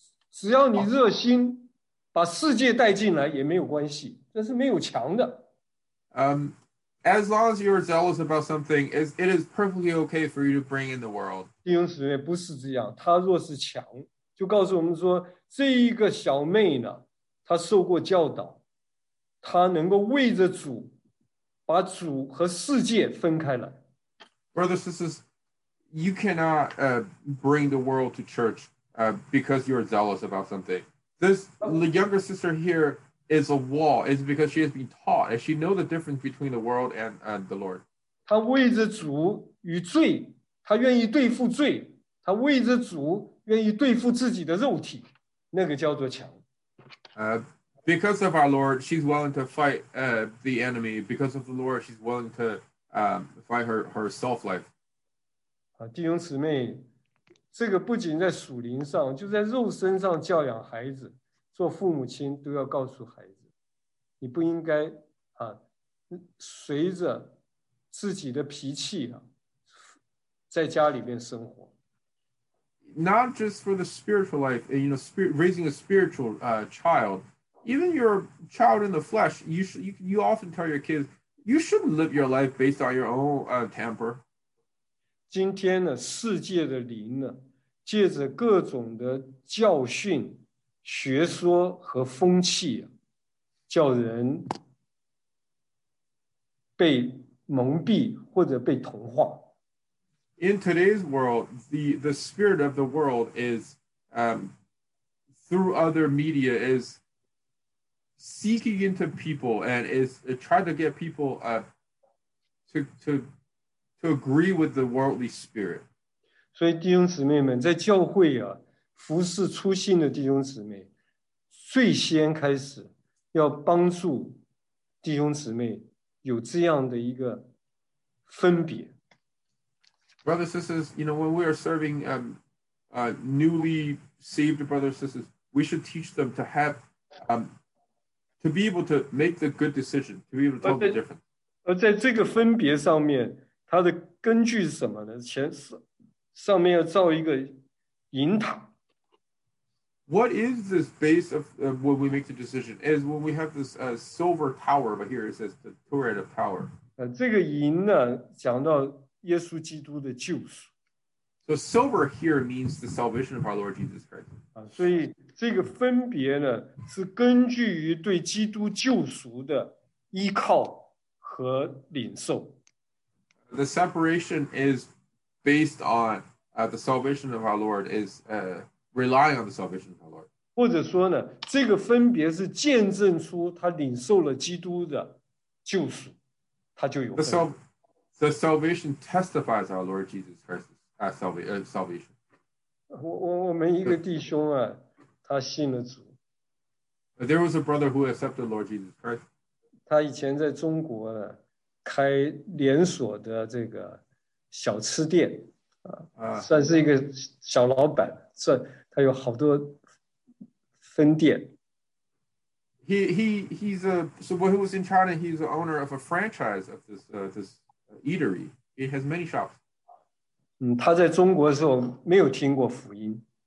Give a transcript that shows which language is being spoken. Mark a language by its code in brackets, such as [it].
[zh] 只要你热心, 把世界带进来, 也没有关系, 这是没有墙的。 [en] As long as you're zealous about something, it is perfectly okay for you to bring in the world. [zh] 弟兄姊妹, 不是这样, 他若是墙, 就告诉我们说, 这一个小妹呢, 她受过教导, 她能够为着主, 把主和世界分开来。 [en] Brothers, sisters, you cannot bring the world to church because you're zealous about something. This younger sister here is a wall. It's because she has been taught, and she knows the difference between the world and the Lord. [zh] 她为着主与罪, 她愿意对付罪, 她为着主愿意对付自己的肉体, 那个叫做墙。 [en] Because of our Lord, she's willing to fight the enemy. Because of the Lord, she's willing to fight her self-life. [zh] 弟兄姊妹, 这个不仅在属灵上，就在肉身上教养孩子，做父母亲都要告诉孩子，你不应该啊，随着自己的脾气啊，在家里面生活。 [en] Not just for the spiritual life, you know, raising a spiritual child, even your child in the flesh, you often tell your kids, you shouldn't live your life based on your own temper. [zh] 今天呢，世界的灵呢，借着各种的教训、学说和风气，叫人被蒙蔽或者被同化。 [en] In today's world, the spirit of the world is, through other media, is seeking into people and is trying to get people to agree with the worldly spirit. [zh] 所以弟兄姊妹们，在教会啊，服侍初信的弟兄姊妹，最先开始要帮助弟兄姊妹有这样的一个分别。 [en] Brothers and sisters, you know, when we are serving newly saved brothers and sisters, we should teach them to have, to be able to make the good decision, to be able to tell the difference. [zh] 而在这个分别上面，它的根据是什么呢？上面要造一个银塔。 [en] What is this base of when we make the decision? Is when we have this silver tower, but here it says the turret of power. [zh] 这个银呢，讲到耶稣基督的救赎。 [en] So silver here means the salvation of our Lord Jesus Christ. [zh] 所以这个分别呢，是根据于对基督救赎的依靠和领受。 [en] The separation is based on the salvation of our Lord, is relying on the salvation of our Lord. [zh] 或者说呢，这个分别是见证出他领受了基督的救赎，他就有分别。 [en] The salvation testifies our Lord Jesus Christ's salvation. [zh] 我们一个弟兄啊，他信了主。 [en] There was a brother who accepted Lord Jesus Christ. [zh] 他以前在中国呢，开连锁的这个小吃店，算是一个小老板，算他有好多分店。 [en] He was in China. He's the owner of a franchise of this. Eatery. It has many shops. [zh] 他在中国的时候没有听过福音。